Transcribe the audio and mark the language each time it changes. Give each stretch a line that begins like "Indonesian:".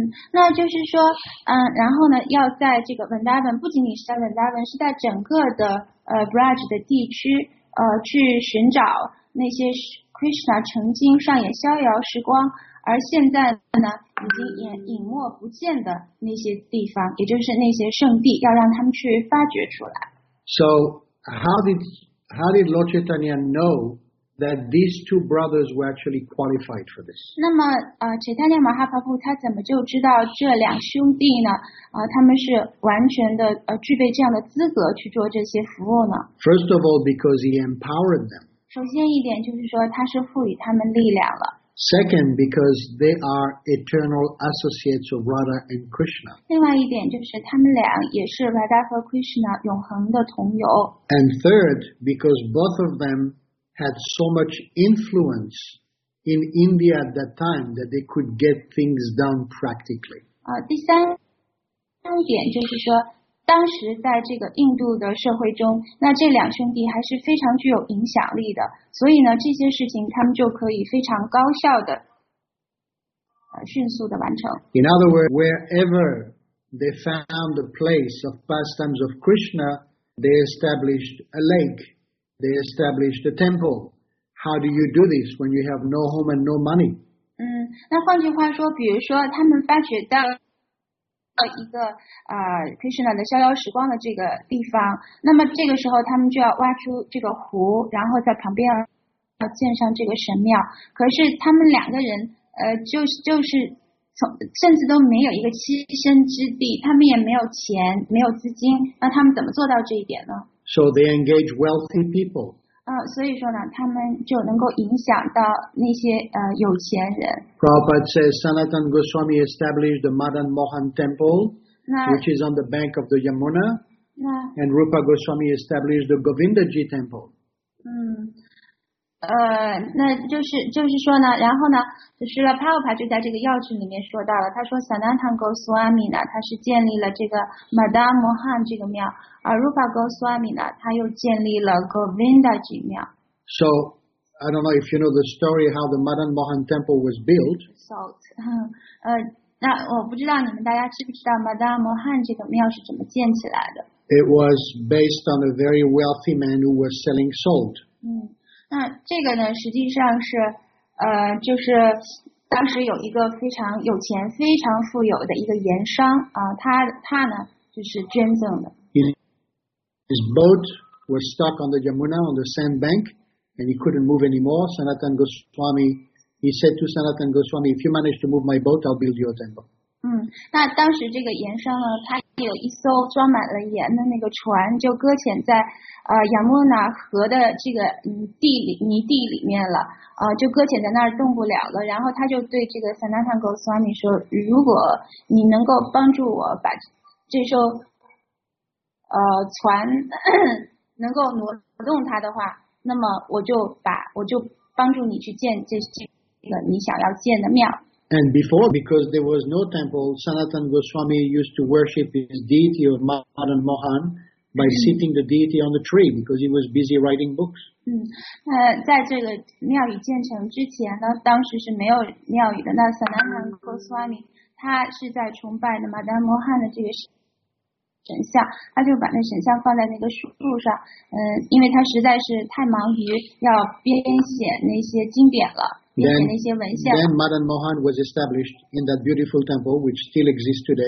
Chinese: 那就是说，然后呢，要在这个 Vrindavan, 不仅仅是在 Vrindavan, 是在整个的Braj 的地区，去寻找那些 Krishna 曾经上演逍遥时光，而现在呢，已经隐没不见的那些地方，也就是那些圣地，要让他们去发掘出来。
English: So how did Lord Chaitanya know? That these two brothers were actually qualified for this.
Chinese: 那么Chaitanya Mahaprabhu 他怎么就知道这两兄弟呢？他们是完全的具备这样的资格去做这些服务呢
English: ？First of all, because he empowered them.
Chinese: 首先一点就是说他是赋予他们力量了。
English: Second, because they are eternal associates of Radha and Krishna.
Chinese: 另外一点就是他们俩也是 Radha 和 Krishna 永恒的同游。
English: And third, because both of them. Had so much influence in India at that time that they could get things done practically.
Chinese: 第三点就是说，当时在这个印度的社会中，那这两兄弟还是非常具有影响力的，所以呢，这些事情他们就可以非常高效的，迅速的完成。
English: In other words, wherever they found a place of pastimes of Krishna, they established a lake. They established a temple. How do you do this when you have no home and no money?
Chinese: 那换句话说，比如说他们发掘到了一个Krishna 的逍遥时光的这个地方，那么这个时候他们就要挖出这个湖，然后在旁边要建上这个神庙。可是他们两个人就是甚至都没有一个栖身之地，他们也没有钱，没有资金，那他们怎么做到这一点呢？
English: So they engage wealthy people.
Chinese: 所以说呢，他们就能够影响到那些有钱人。
English: Prabhupada says Sanatan Goswami established the Madan Mohan Temple, which is on the bank of the Yamuna, and Rupa Goswami established the Govindaji Temple.
Chinese: 那就是说呢，然后呢，就是了 Prabhupada 就在这个要旨里面说到了，他说 Sanatan Goswami 呢，他是建立了这个 Madan Mohan 这个庙。而 Rupa Goswami 呢，他又建立了 Govindaji 庙。
English: So I don't know if you know the story how the Madan Mohan Temple was built. Salt.
Chinese: 那我不知道你们大家知不知道 Madan Mohan 这个庙是怎么建起来的。
English: It was based on a very wealthy man who was selling salt.
Chinese: 那这个呢，实际上是就是当时有一个非常有钱、非常富有的一个盐商他呢就是捐赠的。
English: His boat was stuck on the Yamuna on the sand bank, and he couldn't move anymore. Sanatan Goswami, he said to Sanatan Goswami, "If you manage to move my boat, I'll build you a temple."
Chinese: 那当时这个盐商呢，他有一艘装满了盐的那个船就搁浅在亚莫纳河的这个泥地里面了，就搁浅在那儿动不了了。然后他就对这个萨纳坦戈斯瓦米说，如果你能够帮助我把这艘船能够挪动它的话，那么我就帮助你去建这个你想要建的庙。
English: And before, because there was no temple, Sanatana Goswami used to worship his deity of Madan Mohan by sitting the deity on the tree because he was busy writing books.
Chinese: 在这个庙宇建成之前呢，当时是没有庙宇的。那 Sanatana Goswami 他是在崇拜的 Madan Mohan 的这个神像，他就把那神像放在那个树上。因为他实在是太忙于要编写那些经典了。
English: Then Madan Mohan was established in that beautiful temple, which still exists today.